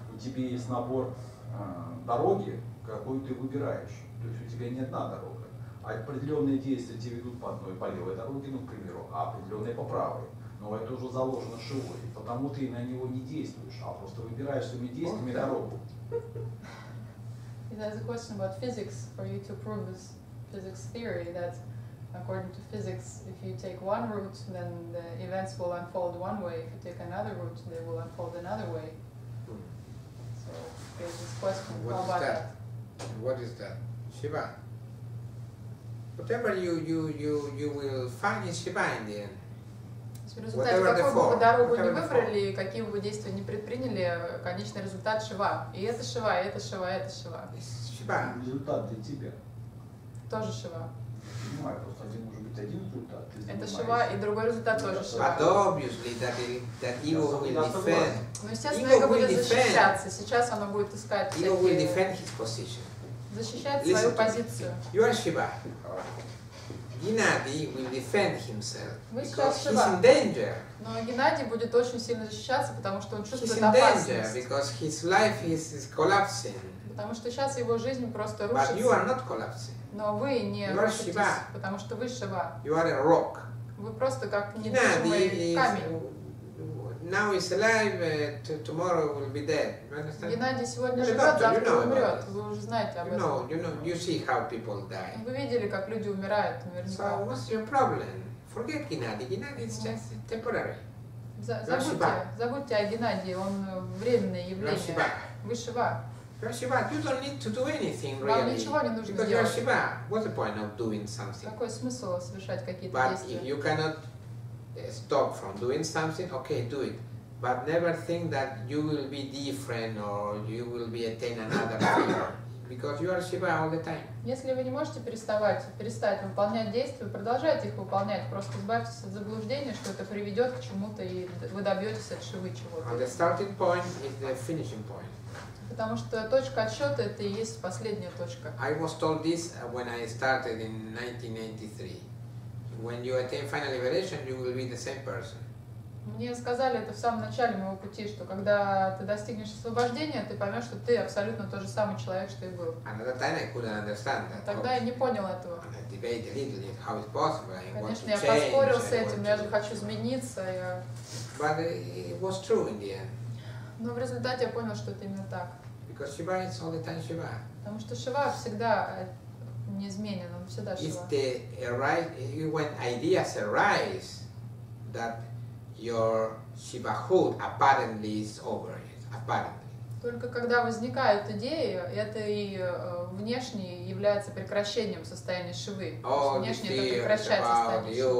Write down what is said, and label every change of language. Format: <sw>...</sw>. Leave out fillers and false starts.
<ru>У тебя есть набор дороги, какую ты выбираешь. То есть у тебя не одна дорога. А определенные действия тебя ведут по одной, по левой дороге, ну, к примеру, а определенные по правой. Но это уже заложено Шивой. Потому ты на него не действуешь, а просто выбираешь своими действиями дорогу.</ru> <en>It has a question about physics for you to prove this physics theory that according to physics, if you take one route, then the events will unfold one way. If you take another route, they will unfold another way. So there's this question. What about is that? That? What is that? Shiva. Whatever you will find in Shiva in the end.</en> <ru>В результате какой бы дорогу не выбрали, какие бы действия не предприняли, конечный результат Шива. И это Шива, и это Шива, и это Шива. Шива. Результат для тебя. Тоже Шива. Понимаю, просто один может быть один результат. Это Шива, и другой результат тоже Шива.</ru> <en>But obviously that ego will defend.</en> <ru>Ну, естественно, ego будет защищаться. Сейчас оно будет искать всякие...</ru> <en>Ego will defend his position.</en> <ru>Защищать свою позицию.</ru> <en>You are Шива. Геннадий will defend himself.</en> <ru>Вы сейчас</ru> <en>Шива. He's in danger.</en> <ru>Но Геннадий будет очень сильно защищаться, потому что он чувствует опасность.</ru> <en>He's in danger because his life is collapsing.</en> <ru>Потому что сейчас его жизнь просто рушится.</ru> <en>But you are not collapsing.</en> <ru>Но вы не рушитесь, потому что вы Шива.</ru> <en>You are a rock.</en> <ru>Вы просто как недвижимый камень.</ru> <en>Now is alive, tomorrow will be dead.</en> <ru>Геннадий сегодня живет, завтра умрет. Вы уже знаете об этом.</ru> <en>No, you see how people die.</en> <ru>Вы видели, как люди умирают, наверняка.</ru> <en>So what's your problem? Forget Геннадий. Геннадий is just temporary.</en> <ru>Забудьте о Геннадии, он временное явление. Вы Шива.</ru> <en>Шива, you don't need to do anything, really.</en> <ru>Вам ничего не нужно</ru> <en>because</en> <ru>делать.</ru> <en>Шива, what's the point of doing something?</en> <ru>Какой смысл совершать какие-то</ru> <en>but</en> <ru>действия?</ru> <en>But if you cannot stop from doing something, okay, do it. But never think that you will be different or you will be attain another figure. Because you are Шива all the time.</en> <ru>Если вы не можете перестать выполнять действия, продолжайте их выполнять. Просто избавьтесь от заблуждения, что это приведет к чему-то, и вы добьетесь от Шивы чего-то.</ru> <en>And the starting point is the finishing point.</en> <ru>Потому что точка отсчета это и есть последняя точка.</ru> <en>I was told this when I started in 1993. When you attain final liberation, you will be the same person.</en> <ru>Мне сказали это в самом начале моего пути, что когда ты достигнешь освобождения, ты поймешь, что ты абсолютно тот же самый человек, что и был.</ru> <en>And at that time I couldn't understand that.</en> <ru>Тогда я не понял этого.</ru> <en>And I debated a little bit how it's possible.</en> <ru>Конечно, я поспорил с этим, я же хочу измениться.</ru> <en>But it was true in the end.</en> <ru>Но в результате я понял, что это именно так.</ru> <en>Because Shiva is all the time Shiva.</en> <ru>Потому что Шива всегда неизменен, он всегда Шива.</ru> <en>It's the arise, when ideas arise that your Shivahood apparently is over it, apparently.</en> <ru>Только когда возникают идеи, это и внешне является прекращением состояния Шивы. Внешне это прекращает состояние Шивы.</ru>